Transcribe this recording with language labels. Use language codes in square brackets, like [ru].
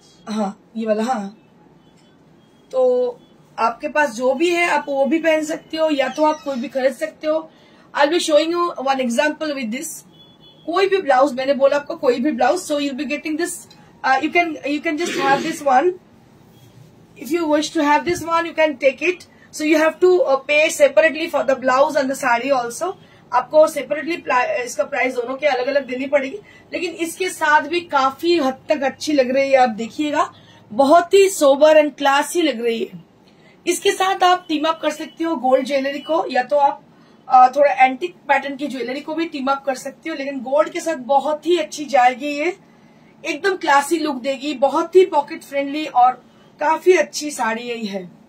[hi] हाँ ये वाला, हाँ तो आपके पास जो भी है आप वो भी पहन सकते हो या तो आप कोई भी खरीद सकते हो। [en] I be showing you one example with this, [hi] कोई भी ब्लाउज मैंने बोला आपको कोई भी blouse, [en] So you be getting this, you can just have this one, if you wish to have this one you can take it. So you have to pay separately for the blouse and the saree also. [hi] आपको separately इसका price दोनों के अलग अलग देनी पड़ेगी, लेकिन इसके साथ भी काफी हद तक अच्छी लग रही है। आप देखिएगा बहुत ही [en] sober and classy [hi] लग रही है। इसके साथ आप team up कर सकती हो gold jewelry को, या तो आप थोड़ा antique pattern की jewelry को भी team up कर सकती हो, लेकिन gold के साथ बहुत ही अच्छी जाएगी ये, एकदम classy look देगी, बहुत ही pocket friendly और काफी अच्छी साड़ी यही है।